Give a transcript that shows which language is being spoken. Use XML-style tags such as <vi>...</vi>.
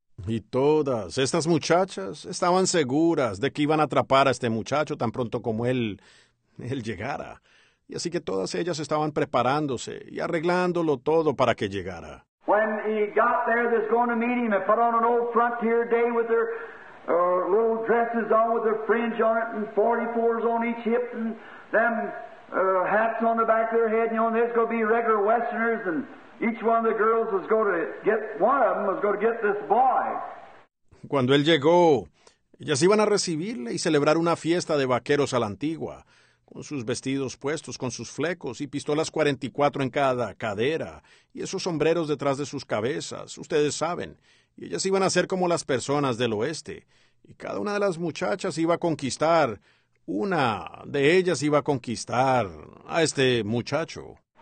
<es>Y todas estas muchachas estaban seguras de que iban a atrapar a este muchacho tan pronto como él llegara. Y así que todas ellas estaban preparándose y arreglándolo todo para que llegara.</es> <en>When he got there, they was going to meet him and put on an old frontier day with their little dresses on with their fringe on it and 44s on each hip and them hats on the back of their head. And, you know, there's going to be regular Westerners and each one of the girls was going to get, one of them was going to get this boy.</en> <es>Cuando él llegó, Ellas iban a recibirle y celebrar una fiesta de vaqueros a la antigua, con sus vestidos puestos, con sus flecos y pistolas 44 en cada cadera, y esos sombreros detrás de sus cabezas, ustedes saben. Y ellas iban a ser como las personas del oeste, y cada una de las muchachas iba a conquistar, una de ellas iba a conquistar a este muchacho.</es>